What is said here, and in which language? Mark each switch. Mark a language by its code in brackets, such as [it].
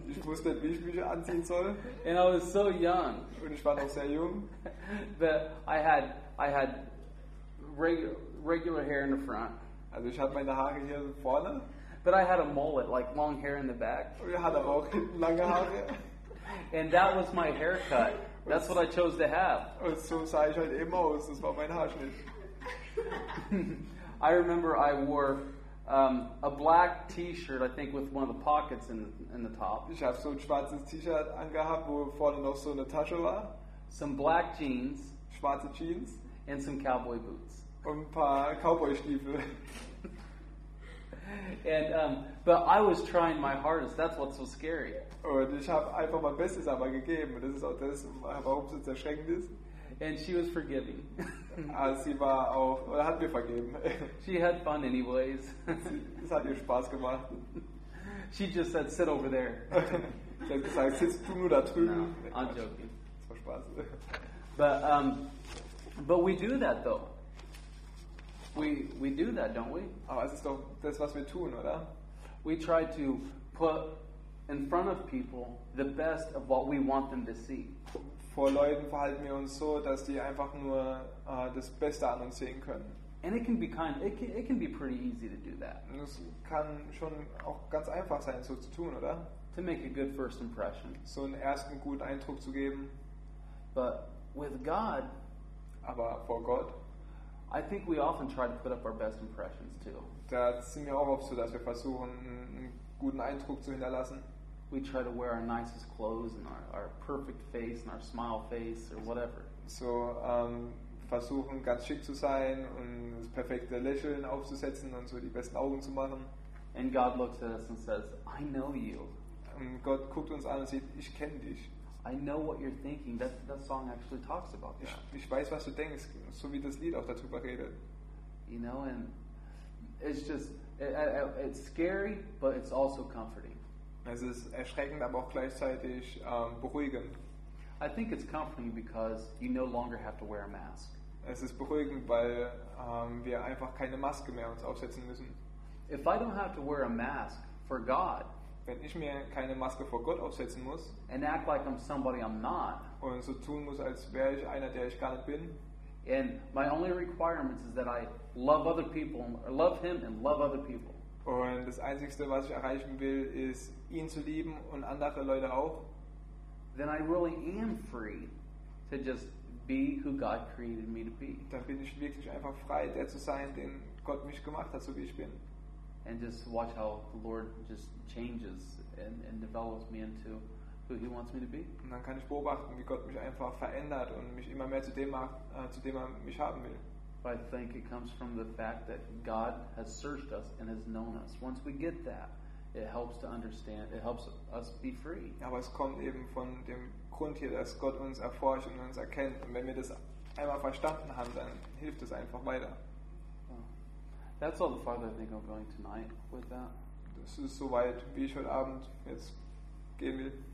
[de] Ich wusste nicht, wie ich mich anziehen soll. [en] And I was so young. [de] Und ich war noch sehr jung. [en] But I had regular hair in the front. [de] Also ich hatte meine Haare hier vorne. [en] But I had a mullet, like long hair in the back. [de] Ich hatte auch lange Haare. [en] And that was my haircut. That's what I chose to have. [de] Und so sah ich halt eben aus. Das war mein Haarschnitt. [en] I remember I wore a black T-shirt, I think, with one of the pockets in the top. [de] Ich habe so ein schwarzes T-Shirt angehabt, wo vorne noch so eine Tasche war. [en] Some black jeans. [de] Schwarze Jeans. [en] And some cowboy boots. [de] Und ein paar Cowboy-Stiefel. [en] And but I was trying my hardest. That's what's so scary. [de] Und ich habe einfach mein Bestes aber gegeben. Das ist auch das, warum es so erschreckend ist. [en] And she was forgiving. [de] Sie war auch, oder hat mir vergeben. [en] She had fun anyways. [de] Es hat ihr Spaß gemacht. [en] She just said, sit over there. [de] Sie hat gesagt, sitzt du nur da drüben. [en] No, I'm Quatsch. Joking. [de] Es war Spaß. [en] But we do that though. We do that, don't we? [de] Aber es ist doch das, was wir tun, oder? [en] We try to put in front of people the best of what we want them to see. [de] Vor Leuten verhalten wir uns so, dass die einfach nur das Beste an uns sehen können. [en] And it can be kind. It can be pretty easy to do that. [de] Und es kann schon auch ganz einfach sein, so zu tun, oder? [en] To make a good first impression. [de] So einen ersten guten Eindruck zu geben. [en] But with God. [de] Aber vor Gott. [en] I think we often try to put up our best impressions too. [de] Da sind wir auch oft so, dass wir versuchen, einen guten Eindruck zu hinterlassen. [en] We try to wear our nicest clothes and our perfect face and our smile face or whatever. [de] So versuchen ganz schick zu sein und das perfekte Lächeln aufzusetzen und so die besten Augen zu machen. [en] And God looks at us and says, I know you. [de] Und Gott guckt uns an und sieht, ich kenne dich. [en] I know what you're thinking. That song actually talks about that. [de] Ich weiß, was du denkst, so wie das Lied auch darüber redet. [en] You know, and it's just, it's scary, but it's also comforting. [de] Es ist erschreckend, aber auch gleichzeitig beruhigend. [en] I think it's comforting because you no longer have to wear a mask. [de] Es ist beruhigend, weil wir einfach keine Maske mehr uns aufsetzen müssen. [en] If I don't have to wear a mask for God, [de] wenn ich mir keine Maske vor Gott aufsetzen muss, [en] and act like I'm somebody I'm not, [de] und so tun muss, als wäre ich einer, der ich gar nicht bin, [en] and my only requirements is that I love other people, or love him and love other people. [de] Und das Einzige, was ich erreichen will, ist, ihn zu lieben und andere Leute auch. [en] Then I really am free to just be who God created me to be. [de] Dann bin ich wirklich einfach frei, der zu sein, den Gott mich gemacht hat, so wie ich bin. [en] And just watch how the Lord just changes and develops me into who he wants me to be. [de] Und dann kann ich beobachten, wie Gott mich einfach verändert und mich immer mehr zu dem macht, zu dem er mich haben will. [en] I think it comes from the fact that God has searched us and has known us. Once we get that, it helps to understand, it helps us be free. [de] Aber es kommt eben von dem Grund hier, dass Gott uns erforscht und uns erkennt. Und wenn wir das einmal verstanden haben, dann hilft es einfach weiter. [en] That's all the farther I think I'm going tonight with that. [de] Das ist soweit, wie ich heute Abend jetzt gehen will.